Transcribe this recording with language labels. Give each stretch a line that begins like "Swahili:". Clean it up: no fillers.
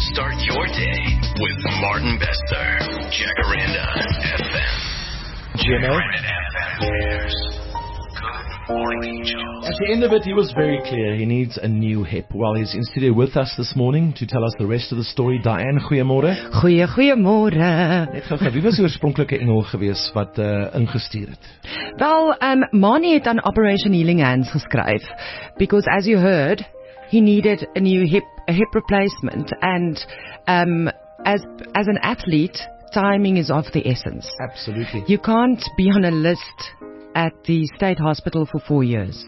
English: Start your day with Martin Bester, Jacaranda FM. Jimmy. Jacaranda FM cares. At the end of it, he was very clear. He needs a new hip. Well, he's in studio with us this morning to tell us the rest of the story.
Afrikaans: Diane, goeiemôre. Goeiemôre. Wie was die oorspronklike engel gewees wat ingestuur het? Wel, Marnie het aan Operation Healing Hands geskryf.
English: Because as you heard, he needed a new hip, a hip replacement. And as an athlete, timing is of the essence. Absolutely. You can't be on a list at the state hospital for 4 years.